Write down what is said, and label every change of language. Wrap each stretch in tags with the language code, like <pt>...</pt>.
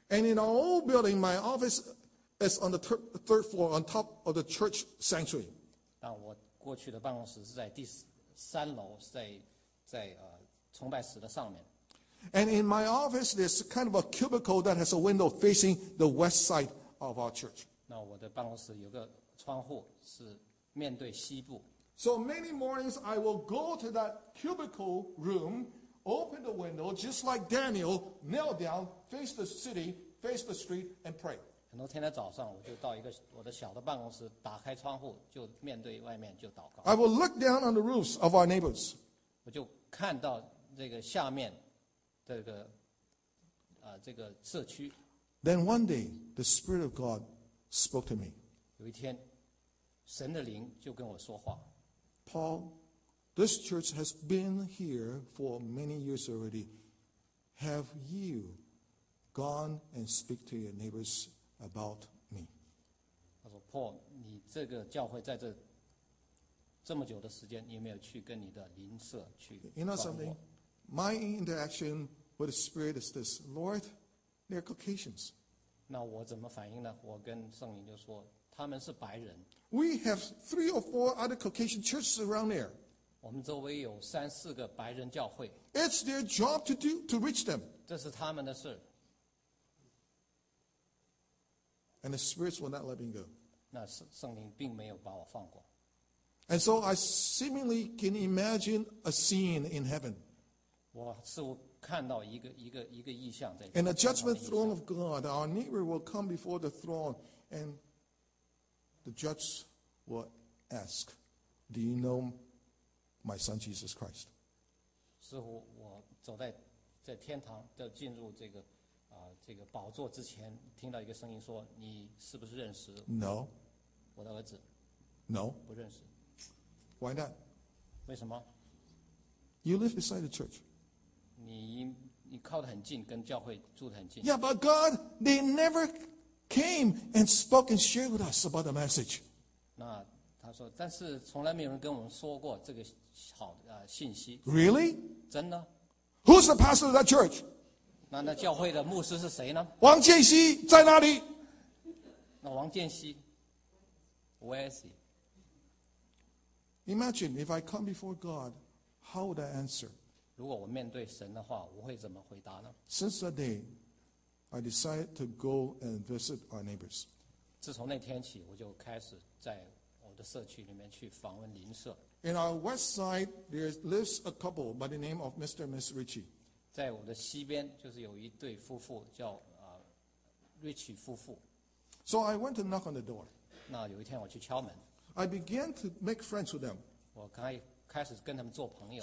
<en>And in our old building, my office is on the third floor on top of the church sanctuary.</en> <zh>但我过去的办公室是在第三楼，在崇拜室的上面。</zh> <en>And in my office, there's kind of a cubicle that has a window facing the west side of our church.</en> <zh>那我的办公室有个窗户是面对西部。</zh> <en>So many mornings, I will go to that cubicle room, open the window, just like Daniel, kneel down, face the city, face the street, and pray.</en> <zh>很多天的早上，我就到一个我的小的办公室，打开窗户，就面对外面就祷告。</zh> <en>I will look down on the roofs of our neighbors.</en> <zh>我就看到这个下面这个这个社区。</zh> <en>Then one day, the Spirit of God spoke to me.</en> <zh>有一天，神的灵就跟我说话。</zh> <en>Paul, this church has been here for many years already. Have you gone and speak to your neighbors about me?</en> <zh>他说 ，Paul， 你这个教会在这么久的时间，你有没有去跟你的邻舍去？</zh> <en>You know something? My interaction with the Spirit is this: Lord, they're Caucasians.</en> <zh>那我怎么反应呢？我跟圣灵就说。他们是白人。</zh> <en>We have three or four other Caucasian churches around there.</en> <zh>我们周围有三四个白人教会。</zh> <en>It's their job to reach them.</en> <zh>这是他们的事。</zh> <en>And the spirits will not let me go.</en> <zh>那圣灵并没有把我放过。</zh> <en>And so I seemingly can imagine a scene in heaven.</en> <zh>我似乎看到一个异象在。</zh> <en>And a judgment throne of God, our neighbor will come before the throne and. The judge will ask, "Do you know my son Jesus Christ?"</en> <zh>似乎我走在在天堂的进入这个这个宝座之前，听到一个声音说：“你是不是认识</zh> <en>？”No，</en> <zh>我的儿子。</zh> <en>No，</en> <zh>不认识。</zh> <en>Why not？</en> <zh>为什么</zh> <en>？You live beside the church。</en> <zh>你靠得很近，跟教会住得很近。</zh> <en>Yeah， but God， they never came and spoke and shared with us about the message。</en> <zh>那他说，但是从来没有人跟我们说过这个好的信息。</zh> <en>Really？</en> <zh>真的</zh> <en>？Who's the pastor of that church？</en> <zh>那教会的牧师是谁呢？王建熙在哪里？</zh> <en>那王建熙 ，Where is he？ Imagine if I come before God, how would I answer？</en> <zh>如果我面对神的话，我会怎么回答呢</zh> <en>？Since that day, I decided to go and visit our neighbors。</en> <zh>自从那天起，我就开始在我的社区里面去访问邻舍。</zh> <en>In our west side, there lives a couple by the name of Mr. and Ms. Ritchie。</en> <zh>在我的西边就是有一对夫妇叫Richie 夫妇。</zh> <en>So I went to knock on the door.</en> <zh>那有一天我去敲门。</zh> <en>I began to make friends with them.</en> <zh>我开始跟他们做朋友。</zh>